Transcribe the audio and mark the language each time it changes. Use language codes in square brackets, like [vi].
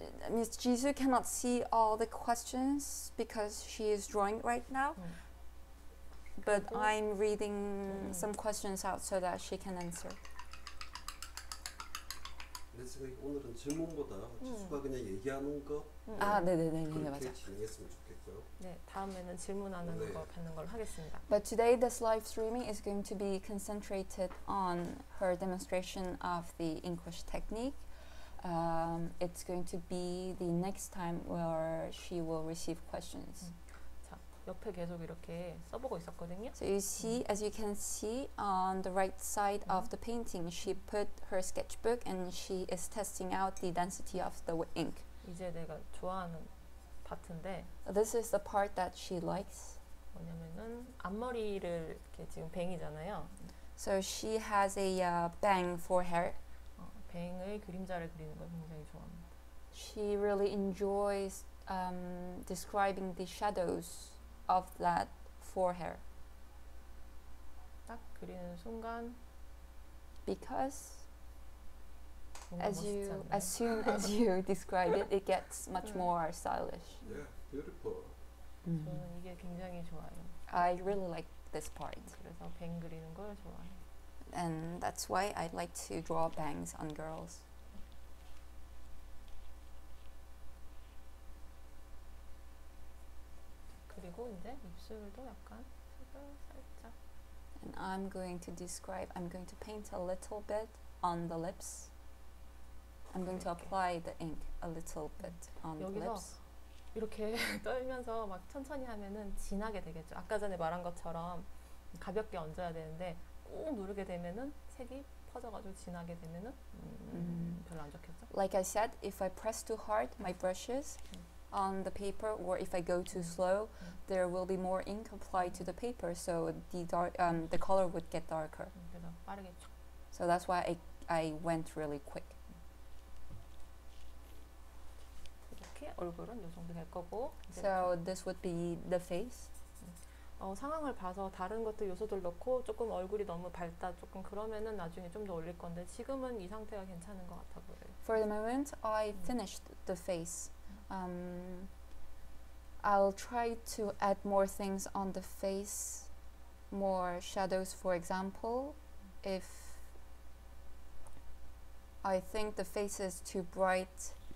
[en] Miss Jisu cannot see all the questions because she is drawing right now. But I'm reading some questions out so that she can answer. [ko] 그래서 오늘은 질문보다 지수가 그냥 얘기하는 거. 아, 네네네, 맞아요. 그렇게 진행했으면 좋겠고요. 네, 다음에는 질문하는 거 받는 걸 하겠습니다. [en] But today this live streaming is going to be concentrated on her demonstration of the inkwash technique. It's going to be the next time where she will receive questions. [ko] 자, 옆에 계속 이렇게 써보고 있었거든요. [en] So you see, as you can see on the right side of the painting, she put her sketchbook and she is testing out the density of the ink. [ko] 이제 내가 좋아하는 파트인데 [en] This is the part that she likes. [ko] 뭐냐면은 앞머리를 이렇게 지금 뱅이잖아요. [en] So she has a bang for hair. [ko] 뱅의 그림자를 그리는 걸 굉장히 좋아합니다. [en] She really enjoys describing the shadows of that for her. [ko] 딱 그리는 순간 [en] because as soon as you describe it, it gets much more stylish. Yeah, beautiful. Mm-hmm. [ko] 저는 이게 굉장히 좋아요. [en] I really like this part. [ko] 그래서 뱅 그리는 걸 좋아해. [en] And that's why I like to draw bangs on girls. [ko] 그리고 이제 입술도 약간 살짝. [en] And I'm going to paint a little bit on the lips. I'm going to apply the ink a little bit on the lips. [ko] 이렇게 떨면서 막 천천히 하면은 진하게 되겠죠. 아까 전에 말한 것처럼 가볍게 얹어야 되는데 꾹 누르게 되면은 색이 퍼져가지고 진하게 되면은 별로 안 좋겠죠. [en] Like I said, if I press too hard my brushes on the paper, or if I go too slow, there will be more ink applied to the paper, so the color would get darker. [ko] 그래서 빠르게 촥. [en] So that's why I went really quick. [ko] 얼굴은 이 정도 될 거고. [en] So this would be the face. [ko] 상황을 봐서 다른 것들 요소들 넣고 조금 얼굴이 너무 밝다 조금 그러면은 나중에 좀 더 올릴 건데 지금은 이 상태가 괜찮은 것 같아 보여요. [en] For the moment, I finished the face. I'll try to add more things on the face, more shadows, for example, if I think the face is too bright.